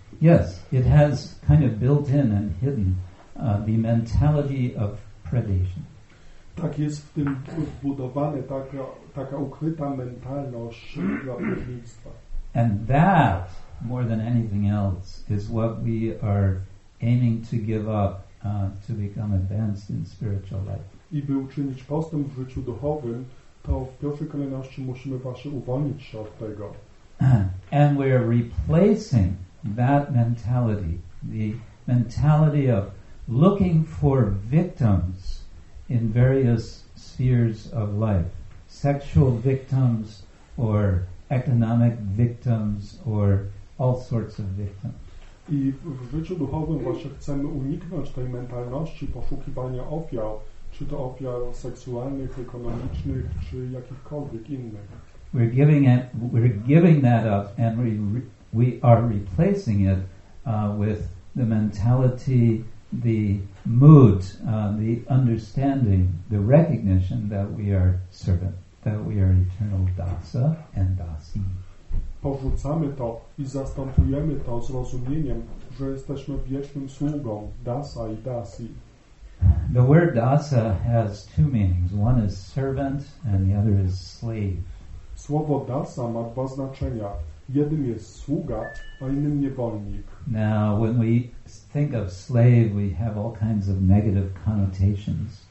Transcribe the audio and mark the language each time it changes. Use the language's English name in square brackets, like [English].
[English] Yes, it has kind of built in and hidden the mentality of predation. [Polish] Tak jest w tym wbudowane, taka ukryta mentalność drapieżnictwa. [English] And that, more than anything else, is what we are aiming to give up to become advanced in spiritual life. [Polish] I by uczynić postęp w życiu duchowym, to w pierwszej kolejności musimy właśnie uwolnić się od tego. [English] And we are replacing that mentality, the mentality of looking for victims in various spheres of life, sexual victims or economic victims or all sorts of victims. [Polish] I w życiu duchowym właśnie chcemy uniknąć tej mentalności poszukiwania ofiar, czy to ofiar seksualnych, ekonomicznych, czy jakichkolwiek innych. [English] We're giving that up, and we are replacing it with the mentality, the mood, the understanding, the recognition that we are servant, that we are eternal dasa and dasi. [Polish] Porzucamy to i zastępujemy to zrozumieniem, że jesteśmy wiecznym sługą, dasa i dasi. [English] The word dasa has two meanings. One is servant and the other is slave. [Polish] Słowo dasa ma dwa znaczenia. Jednym jest sługa, a innym niewolnik. [English] Now, when we think of slave, we have all kinds of negative connotations.